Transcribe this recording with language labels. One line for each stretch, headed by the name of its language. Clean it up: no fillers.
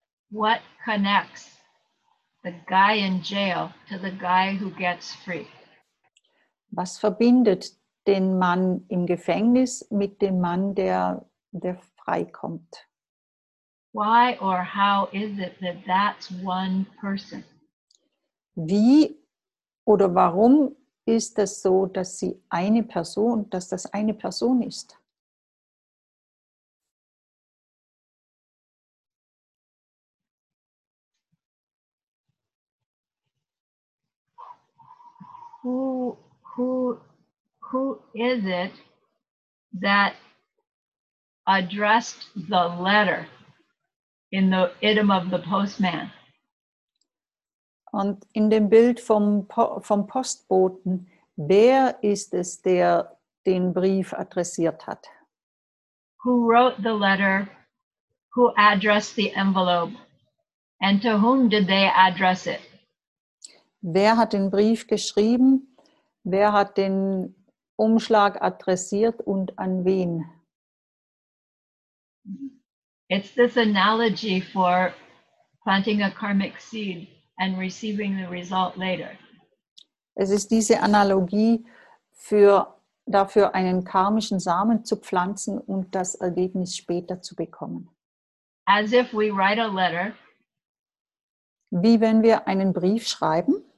English: What connects the guy in jail to the guy who gets free?
German: Was verbindet den Mann im Gefängnis mit dem Mann, der freikommt?
English: Why or how is it that that's one person?
German: Wie oder warum ist das so, dass sie eine Person, dass das eine Person ist?
English: Who is it that addressed the letter? In the idiom of the postman.
German: Und in dem Bild vom Postboten, wer ist es, der den Brief adressiert hat?
English: Who wrote the letter? Who addressed the envelope? And to whom did they address it?
German: Wer hat den Brief geschrieben? Wer hat den Umschlag adressiert und an wen?
English: It's this analogy for planting a karmic seed and receiving the result later.
German: Es ist diese Analogie für dafür, einen karmischen Samen zu pflanzen und das Ergebnis später zu bekommen.
English: As if we write a letter.
German: Wie wenn wir einen Brief schreiben.